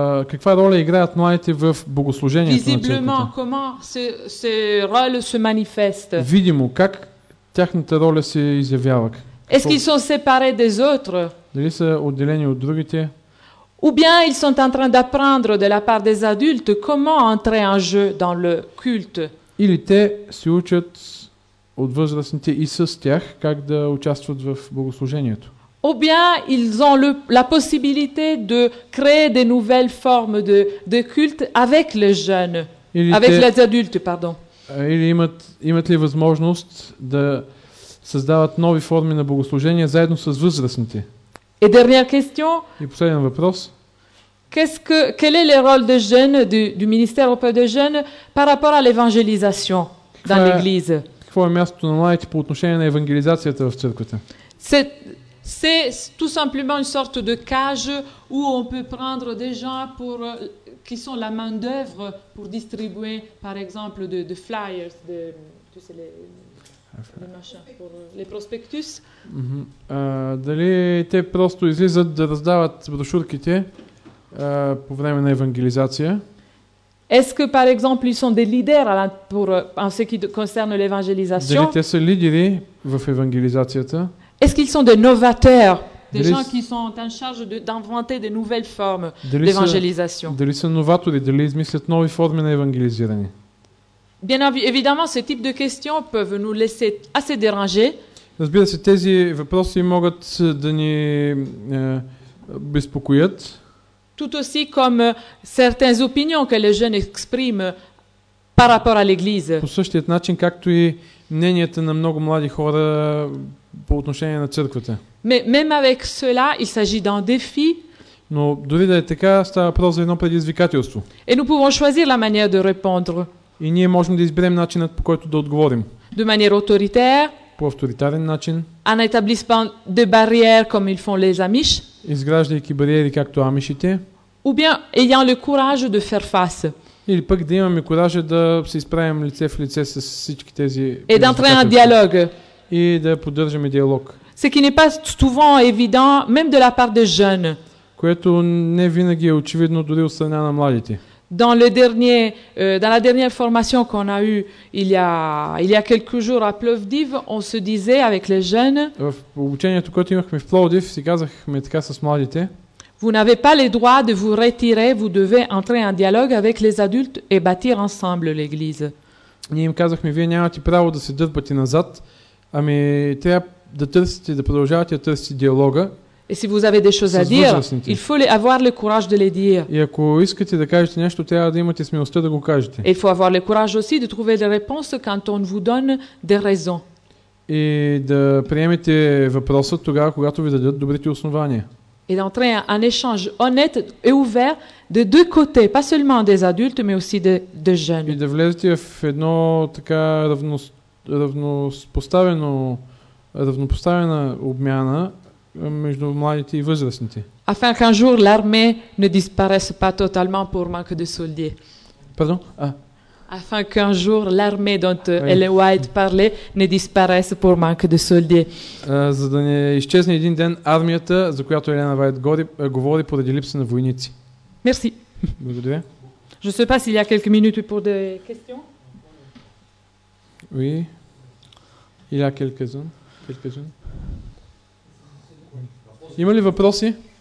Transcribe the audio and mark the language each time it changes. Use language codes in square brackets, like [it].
[bg] Каква роля играят младите в богослужението на църквата? [fr] Visiblement, comment ce rôle se manifeste? [bg] Видимо, как тяхната роля се изявява? [fr] Est-ce qu'ils sont séparés des autres? [bg] Дали са отделени от другите? [fr] Ou bien ils sont en train d'apprendre de la part des adultes comment entrer en jeu dans le culte? [bg] Или те се учат от възрастните и с тях как да участват в богослужението? [fr] Ou bien ils ont la possibilité de créer des nouvelles formes de culte avec les jeunes, avec les adultes, pardon. [bg] Или имат ли възможност да създават нови форми на богослужение заедно с възрастните? [fr] Et dernière question. [bg] И последен въпрос. [fr] Quel est le rôle des jeunes du ministère auprès des jeunes par rapport à l'évangélisation dans l'église? [bg] какво е мястото на младите по отношение на евангелизацията в църквата? [fr] C'est tout simplement une sorte de cage où on peut prendre des gens pour, qui sont la main d'œuvre pour distribuer, par exemple, de flyers, de, tu sais, les machins, pour, les prospectus. [bg] Mm-hmm. Дали те просто излизат да раздават брошурките по време на евангелизация? [fr] Est-ce que, par exemple, ils sont des leaders pour, en ce qui concerne l'évangélisation? [bg] Дали те са лидери в евангелизацията? [fr] Est-ce qu'ils sont des novateurs, des gens qui sont en charge de, d'inventer des nouvelles formes d'évangélisation? [bg] Дали са новатори, дали измислят нови форми на евангелизиране? [fr] Bien évidemment, ce type de questions peuvent nous laisser assez déranger. [bg] Разбира се, тези въпроси могат да ни безпокоят. [fr] Tout aussi comme certaines opinions que les jeunes expriment par rapport à l'église. [bg] По същия начин, както и мненията на много млади хора по отношение на църквата. [fr] Mais même avec cela, il s'agit d'un défi. [bg] Но дори да е така, става въпрос за едно предизвикателство. [fr] Et nous pouvons choisir la manière de répondre. [bg] И ние можем да изберем начинът, по който да отговорим. [fr] De manière autoritaire. [bg] По авторитарен начин. [fr] En établissant des barrières comme ils font les Amish. [bg] Изграждайки бариери както амишите. [fr] Ou bien ayant le courage de faire face. [bg] Или пък да имаме куража да се изправим лице в лице с всички тези. [fr] Et d'entrer en dialogue. [bg] И да поддържаме диалог. [fr] Ce qui n'est pas souvent évident même de la part des jeunes. [bg] Което не винаги е очевидно дори от страна на младите. [fr] Dans le dernier dans la dernière formation qu'on a eu il y a quelques jours à Plovdiv, on se disait avec les jeunes. [bg] В обучението, което имахме в Пловдив, си казахме така с младите. [fr] Vous n'avez pas le droit de vous retirer, vous devez entrer en dialogue avec les adultes et bâtir ensemble l'église. [bg] Ние им казахме, вие нямате право да се дърпате назад. Ами трябва да търсите, да продължавате да търсите диалога. [fr] Et si vous avez des choses à dire, il faut avoir le courage de les dire. [bg] И ако искате да кажете нещо, трябва да имате смелостта да го кажете. [fr] Et il faut avoir le courage aussi de trouver des réponses quand on vous donne des raisons. [bg] И да приемете въпроса тогава, когато ви дадат добрите основания. [fr] Et d'entrer en échange honnête et ouvert de deux côtés, pas seulement des adultes, mais aussi de jeunes. [bg] И да влезете в едно така равнопоставена обмяна между младите и възрастните. [fr] Afin qu'un jour l'armée ne disparaisse pas totalement pour manque de soldats. Pardon? Afin qu'un jour l'armée dont Ellen White parlait ne disparaisse pour manque de soldats. [bg] За да не изчезне един ден армията, за която Ellen White говори поради липса на войници. [fr] Merci. [bg] Благодаря. [fr] Je sais pas s'il y a quelques minutes pour des questions. Oui, il y a quelques-unes. [bg] Има ли въпроси?